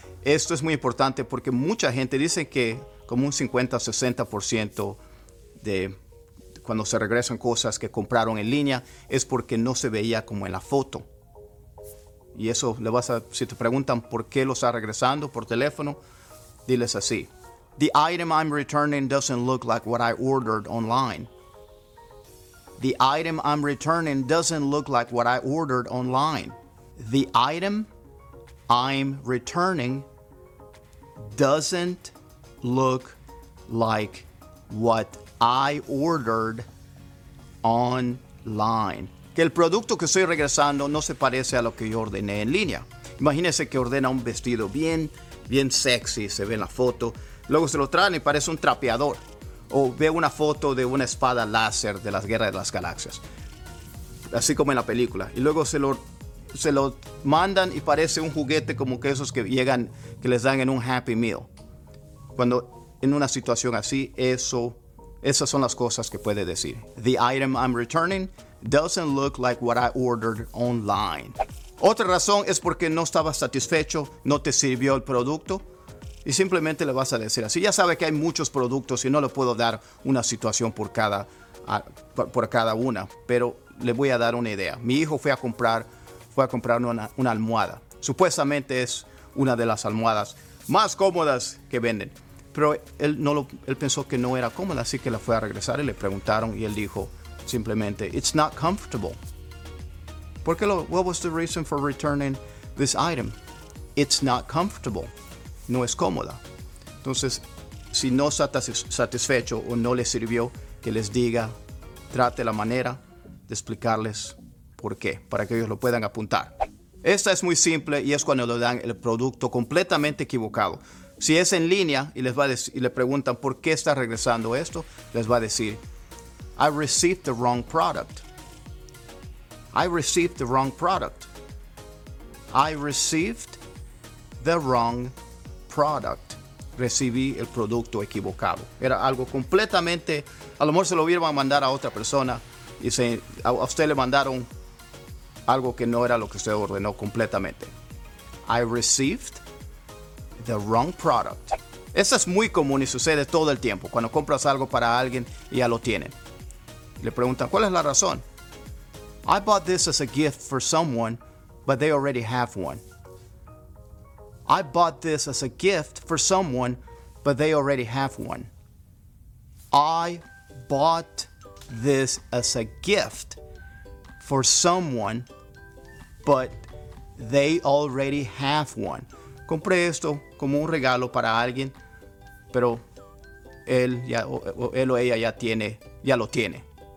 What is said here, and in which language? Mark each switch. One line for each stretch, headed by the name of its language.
Spanish: Esto es muy importante porque mucha gente dice que como un 50-60% de cuando se regresan cosas que compraron en línea es porque no se veía como en la foto. Y eso le vas a, si te preguntan por qué lo está regresando por teléfono, diles así.
English: The item I'm returning doesn't look like what I ordered online. The item I'm returning doesn't look like what I ordered online. The item I'm returning doesn't look like what I ordered online.
Spanish: Que el producto que estoy regresando no se parece a lo que yo ordené en línea. Imagínese que ordena un vestido bien, bien sexy, se ve en la foto. Luego se lo traen y parece un trapeador. O ve una foto de una espada láser de las guerras de las galaxias. Así como en la película. Y luego se lo mandan y parece un juguete como que esos que llegan, que les dan en un Happy Meal. Cuando en una situación así, esas son las cosas que puede decir.
English: The item I'm returning doesn't look like what I ordered online.
Spanish: Otra razón es porque no estaba satisfecho, no te sirvió el producto. Y simplemente le vas a decir así. Ya sabe que hay muchos productos y no le puedo dar una situación por cada una. Pero le voy a dar una idea. Mi hijo fue a comprar una almohada. Supuestamente es una de las almohadas más cómodas que venden. Pero él pensó que no era cómoda. Así que la fue a regresar y le preguntaron. Y él dijo simplemente,
English: it's not comfortable. What was the reason for returning this item? It's not comfortable.
Spanish: No es cómoda. Entonces, si no está satisfecho o no le sirvió, que les diga, trate la manera de explicarles por qué, para que ellos lo puedan apuntar. Esta es muy simple y es cuando le dan el producto completamente equivocado. Si es en línea y le preguntan por qué está regresando esto, les va a decir,
English: I received the wrong product. I received the wrong product. I received the wrong product. Product.
Spanish: Recibí el producto equivocado. Era algo completamente, a lo mejor se lo hubieran mandado a otra persona y a usted le mandaron algo que no era lo que usted ordenó completamente.
English: I received the wrong product.
Spanish: Eso es muy común y sucede todo el tiempo. Cuando compras algo para alguien y ya lo tienen. Le preguntan, ¿cuál es la razón?
English: I bought this as a gift for someone, but they already have one. I bought this as a gift for someone, but they already have one. I bought this as a gift for someone, but they already have one.
Spanish: Compré esto como un regalo para alguien, pero él o ella ya lo tiene.